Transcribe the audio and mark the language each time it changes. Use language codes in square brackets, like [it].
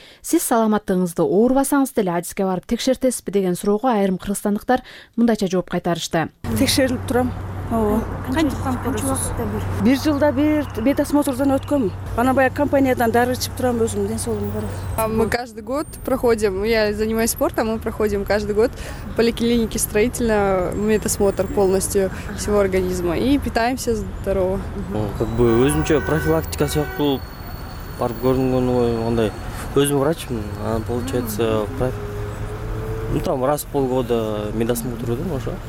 [ky] Сиз саламаттыгыңызды оорубасаңыз деле адиске барып текшертесизби деген суроого айрым кыргызстандыктар мындайча жооп кайтарышты. Текшерилип турам. Бир жылда бир медосмотрдон өткөм. Анан баягы компаниядан дары ичип турам, өзүмдүн ден соолугум бар. [ru] Мы каждый год проходим, я занимаюсь спортом, мы проходим каждый год в поликлинике строительного медосмотр полностью всего организма и питаемся здорово. [ky] Өзүмчө профилактика сыяктуу барып көрүнгөнү андай, өзүм врачмын, анан [ru] получается Ну там раз в полгода медосмотр иду, может?